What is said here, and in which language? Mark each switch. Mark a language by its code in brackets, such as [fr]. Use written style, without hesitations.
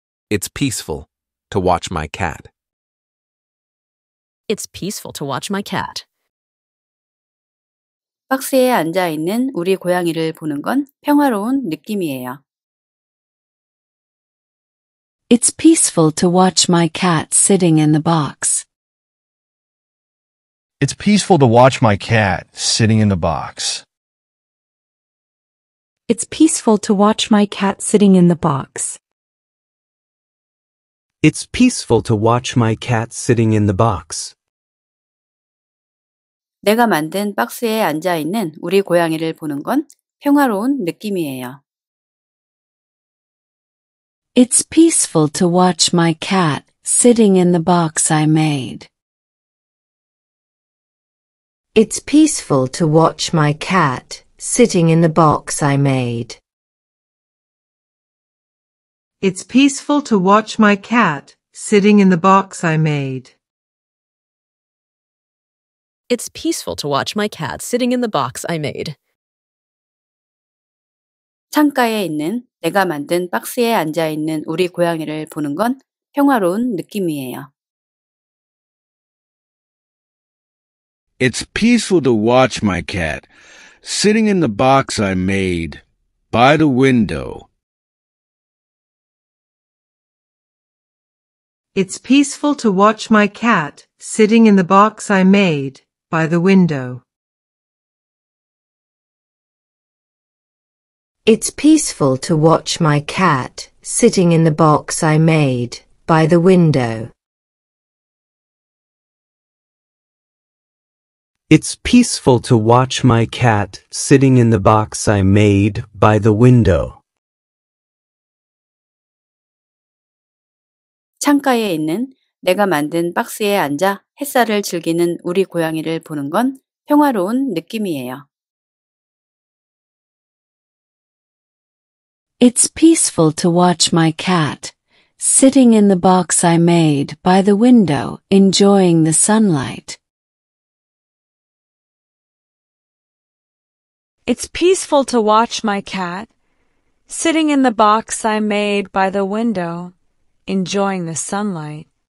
[en] It's peaceful to watch my cat. It's peaceful to watch my cat. [ko] 박스에 앉아 있는 우리 고양이를 보는 건 평화로운 느낌이에요. [en] It's peaceful to watch my cat sitting in the box. It's peaceful to watch my cat sitting in the box. It's peaceful to watch my cat sitting in the box. It's peaceful to watch my cat sitting in the box. [ko] 내가 만든 박스에 앉아 있는 우리 고양이를 보는 건 평화로운 느낌이에요. [en] It's peaceful to watch my cat sitting in the box I made. It's peaceful to watch my cat sitting in the box I made. It's peaceful to watch my cat sitting in the box I made. It's peaceful to watch my cat sitting in the box I made. [ko] 창가에 있는 내가 만든 박스에 앉아 있는 우리 고양이를 보는 건 평화로운 느낌이에요. [en] It's peaceful to watch my cat sitting in the box I made by the window. It's peaceful to watch my cat sitting in the box I made by the window. It's peaceful to watch my cat sitting in the box I made by the window. It's peaceful to watch my cat sitting in the box I made by the window. [ko] 창가에 있는 내가 만든 박스에 앉아 햇살을 즐기는 우리 고양이를 보는 건 평화로운 느낌이에요. [en] It's peaceful to watch my cat sitting in the box I made by the window enjoying the sunlight. It's peaceful to watch my cat sitting in the box I made by the window enjoying the sunlight.